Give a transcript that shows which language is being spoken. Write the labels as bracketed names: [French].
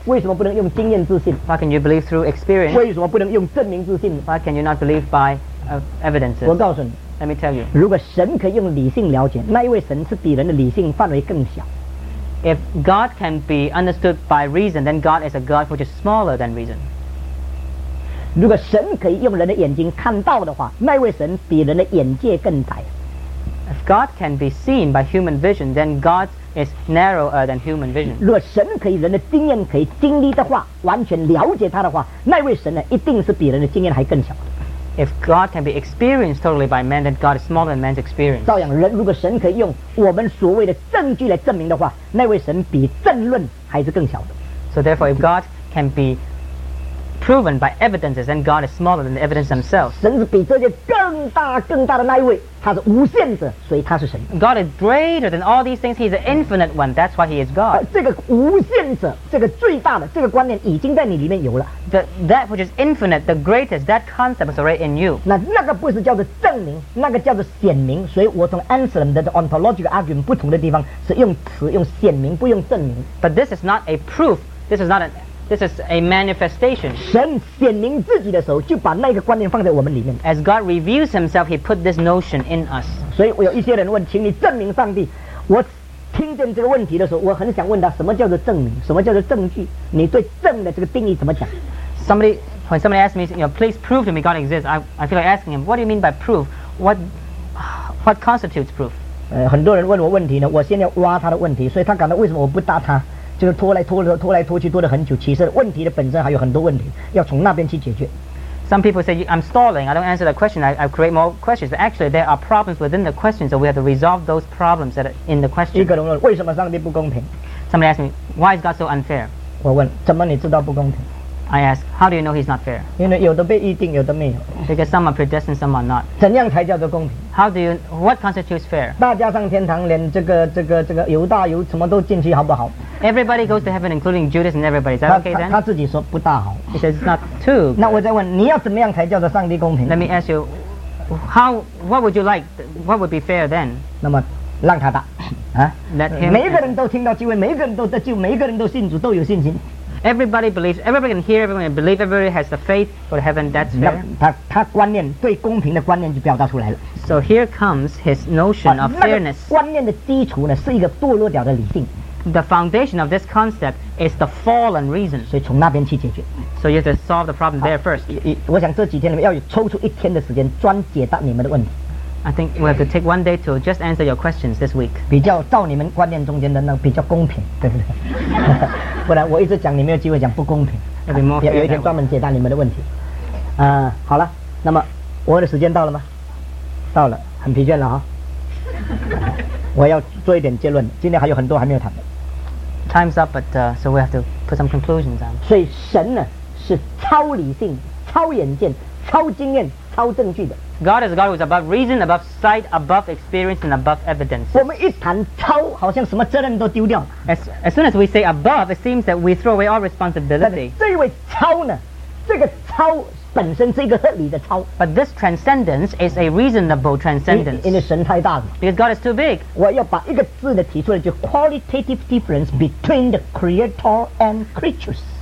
[Chinese] 为什么不能用经验智信? [English] Why can you believe through experience? [Chinese] 为什么不能用证明智信? [English] Why can you not believe by evidences? [Chinese] 我告诉你, [English] Let me tell you. [Chinese] 如果神可以用理性了解, 那一位神是比人的理性范围更小。 [English] If God can be understood by reason, then God is a God which is smaller than reason. [Chinese] 如果神可以用人的眼睛看到的话，那位神比人的眼界更窄。 [English] If God can be seen by human vision, then God is narrower than human vision. [Chinese] 如果神可以人的经验可以经历的话，完全了解他的话，那位神呢，一定是比人的经验还更小。 [English] If God can be experienced totally by man, then God is smaller than man's experience. [Chinese] 照样，人如果神可以用我们所谓的证据来证明的话，那位神比证论还是更小的。 [English] So therefore, if God can be proven by evidences, then God is smaller than the evidence themselves. [Chinese] 神是比这些更大更大的那一位，他是无限者，所以他是神。 [English] God is greater than all these things. He is the infinite one. That's why he is God. [Chinese] 这个无限者，这个最大的这个观念已经在你里面有了。 [English] That which is infinite, the greatest, that concept is already in you. [Chinese] 那个不是叫做证明，那个叫做显明。所以我从 Anselm 的 [English] ontological argument [Chinese] 不同的地方是用词用显明，不用证明。 [English] But this is not a proof. This is a manifestation. [Chinese] 神显明自己的时候，就把那个观念放在我们里面。 [English] As God reveals Himself, He put this notion in us. [Chinese] 所以我有一些人问，请你证明上帝。我听见这个问题的时候，我很想问他，什么叫做证明？什么叫做证据？你对证的这个定义怎么讲？ [English] When somebody asks me, you know, please prove to me God exists. I feel like asking him, what do you mean by proof? What constitutes proof? [Chinese] 很多人问我问题呢，我现在挖他的问题，所以他感到为什么我不答他？就是拖来拖了拖来拖去拖了很久，其实问题的本身还有很多问题要从那边去解决。 [English] Some people say I'm stalling, I don't answer the question, I create more questions. But actually there are problems within the question, so we have to resolve those problems that are in the question. [Chinese] 一个人问为什么上帝不公平， [English] Somebody asked me, why is God so unfair? [Chinese] 我问怎么你知道不公平， [English] I ask, how do you know he's not fair? [Chinese] 因为有的被预定有的没有， [English] because some are predestined, some are not. [Chinese] 怎样才叫做公平？ [English] What constitutes fair? [Chinese] 大家上天堂连这个犹大犹什么都进去好不好？ [English] Everybody goes to heaven, including Judas and everybody. Is that okay then? [Chinese] 他自己说不大好。 [English] He says it's not too good. [Chinese] 那我再问，你要怎么样才叫做上帝公平？ [English] Let me ask you, what would you like? What would be fair then? [Chinese] 那么让他答。每一个人都听到机会，每一个人都得救，每一个人都信主，都有信心。 [English] Everybody believes, everybody can hear, everyone can believe, everybody has the faith for the heaven, that's fair. [Chinese] 他观念，对公平的观念就表达出来了。 [English] So here comes his notion of fairness. [Chinese] 那个观念的基础呢，是一个堕落掉的理性。 [English] The foundation of this concept is the fallen reason. [Chinese] 所以从那边去解决。 [English] So you have to solve the problem there first. [Chinese] 我想这几天里面要有抽出一天的时间专解答你们的问题。 [English] I think we have to take one day to just answer your questions this week. [Chinese] 比较照你们观念中间的那比较公平，对不对？不然我一直讲你没有机会讲不公平。 [English] It'll be more fair. [Chinese] 有一天专门解答你们的问题。好了，那么我的时间到了吗？到了，很疲倦了哈。我要做一点结论，今天还有很多还没有谈的。 [English] Time's up, but so we have to put some conclusions on. [Chinese] 所以神呢是超理性、超眼见、超经验、超证据的。 [English] God is a God who is above reason, above sight, above experience, and above evidence. [Chinese] 我们一谈超，好像什么责任都丢掉了。 [English] As soon as we say above, it seems that we throw away all responsibility. [Chinese] 这一位超呢，这个超本身是一个合理的超。 [English] But this transcendence is a reasonable transcendence. [Chinese] 因为神太大了。 [English] Because God is too big. [Chinese] 我要把一个字的提出来，就 [English] qualitative difference between the creator and creatures.